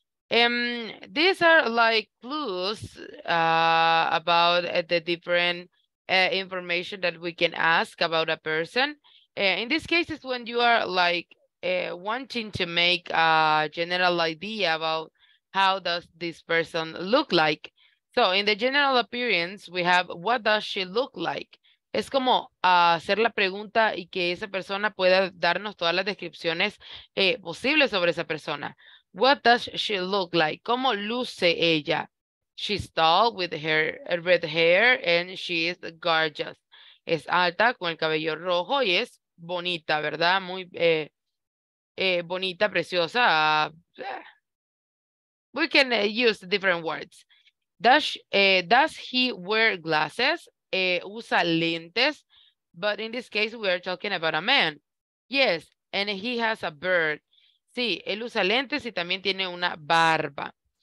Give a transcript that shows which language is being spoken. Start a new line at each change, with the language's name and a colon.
English: These are like clues about the different information that we can ask about a person. In this case, it's when you are like wanting to make a general idea about how does this person look like. So in the general appearance, we have, what does she look like?
Spanish: Es como hacer la pregunta y que esa persona pueda darnos todas las descripciones posibles sobre esa persona.
English: What does she look like?
Spanish: ¿Cómo luce ella?
English: She's tall with her red hair and she is gorgeous.
Spanish: Es alta con el cabello rojo y es bonita, ¿verdad? Muy bonita, preciosa.
English: We can use different words. Does he wear glasses?
Spanish: Usa lentes,
English: but in this case we are talking about a man. Yes, and he has a beard.
Spanish: Sí, él usa lentes y también tiene una barba.